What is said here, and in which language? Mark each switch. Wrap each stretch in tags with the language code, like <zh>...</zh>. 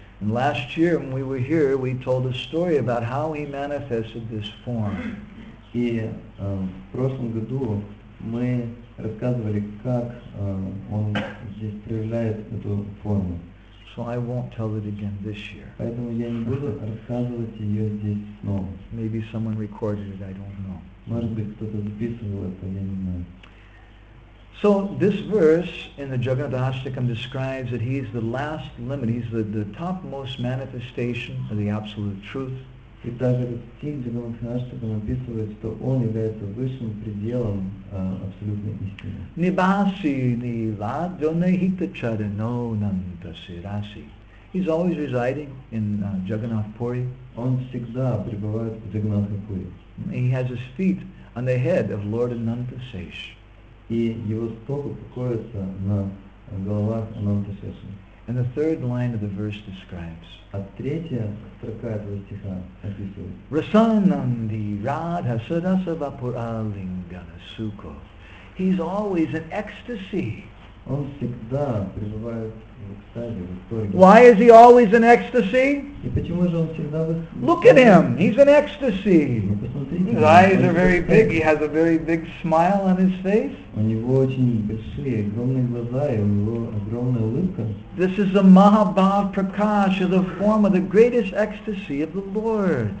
<en>And last year, when we were here, we told a story about how he manifested this form.</en> <ru>И в прошлом году мы рассказывали, как он здесь проявляет эту форму.</ru> <en>So I won't tell it again this year.</en> <ru>Поэтому я не буду рассказывать ее здесь снова.</ru> <en>Maybe someone recorded it, I don't know.</en> <ru>Может быть, кто-то записывал это, я не знаю.</ru> <en>So this verse in the Jagannatha Ashtakam describes that he is the last limit, he's the topmost manifestation of the Absolute Truth.</en> <ru>И даже стих Джаганнатха Аштакам описывает, что он является высшим пределом абсолютной истины.</ru> <sa>Nibhasi nivadyonahita charano nantasirasi.</sa> <en>He's always residing in Jagannath Puri.</en> <ru>Он всегда пребывает в Джаганнатха Пури.</ru> <en>He has his feet on the head of Lord Ananta Sesh.</en> <ru>И его стопы покоятся на головах Ананта Сеши.</ru> <en>And the third line of the verse describes.</en> <ru>А третья строка этого стиха описывает.</ru> <sa>Rasananandi Radha Sadasavapura Lingana Sukho.</sa> <en>He's always in ecstasy.</en> <ru>Он всегда пребывает в экстазе, в восторге.</ru> <en>Why is he always in ecstasy?</en> <ru>И почему же он всегда в экстазе?</ru> <en>Look at him. He's in ecstasy. His eyes are very big. He has a very big smile on his face.</en> <ru>У него очень большие, огромные глаза, и у него огромная улыбка.</ru> <en>This is the Mahabhav Prakash, the form of the greatest ecstasy of the Lord.</en>